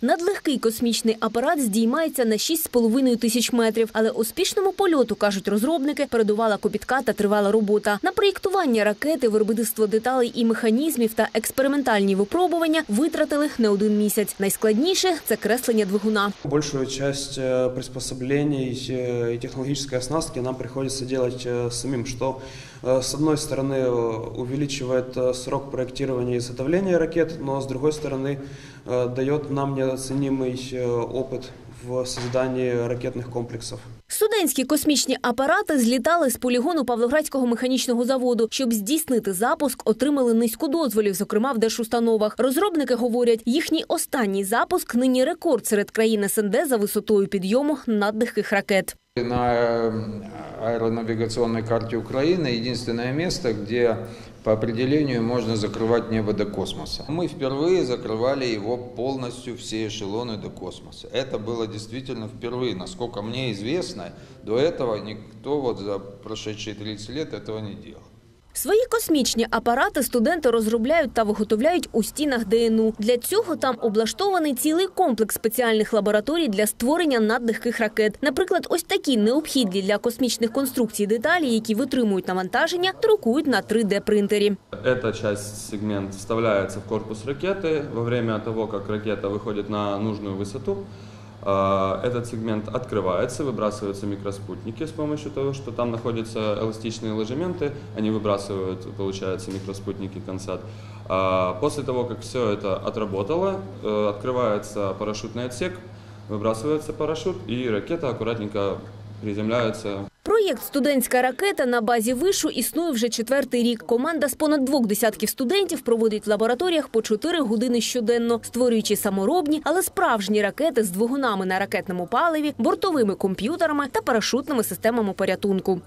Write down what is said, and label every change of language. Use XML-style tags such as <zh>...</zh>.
<uk>Надлегкий космічний апарат здіймається на 6,5 тисяч метрів. Але успішному польоту, кажуть розробники, передувала копітка та тривала робота. На проєктування ракети, виробництво деталей і механізмів та експериментальні випробування витратили не один місяць. Найскладніше – це креслення двигуна. Більшу частину приспособлень і технологічної оснастки нам приходиться робити самим,</uk> <ru>що с одной стороны, увеличивает срок проектирования и изготовления ракет, но с другой стороны, дает нам неоценимый опыт в создании ракетных комплексов.</ru> <uk>Студентські космічні апарати злітали з полігону Павлоградського механічного заводу. Щоб здійснити запуск, отримали низку дозволів, зокрема в держустановах. Розробники говорять, їхній останній запуск нині рекорд серед країн СНД за висотою підйому надлегких ракет. На аеронавигаційній карті України єдине місце, де</uk> <ru>по определению можно закрывать небо до космоса. Мы впервые закрывали его полностью, все эшелоны до космоса. Это было действительно впервые. Насколько мне известно, до этого никто вот за прошедшие 30 лет этого не делал.</ru> <uk>Свої космічні апарати студенти розробляють та виготовляють у стінах ДНУ. Для цього там облаштований цілий комплекс спеціальних лабораторій для створення надлегких ракет. Наприклад, ось такі необхідні для космічних конструкцій деталі, які витримують навантаження, друкують на 3D-принтері. Ця частина, сегмент, вставляється в корпус ракети.</uk> <ru>Во время того,</ru> <uk>як ракета виходить</uk> <ru>на нужну висоту, этот сегмент открывается, выбрасываются микроспутники с помощью того, что там находятся эластичные ложементы, они выбрасывают, получается, микроспутники конденсат. После того, как все это отработало, открывается парашютный отсек,</ru> <uk>вибрасується парашут, і ракета акуратненько приземляється. Проєкт «Студентська ракета» на базі вишу існує вже четвертий рік. Команда з понад двох десятків студентів проводить в лабораторіях по 4 години щоденно, створюючи саморобні, але справжні ракети з двигунами на ракетному паливі, бортовими комп'ютерами та парашутними системами порятунку.</uk>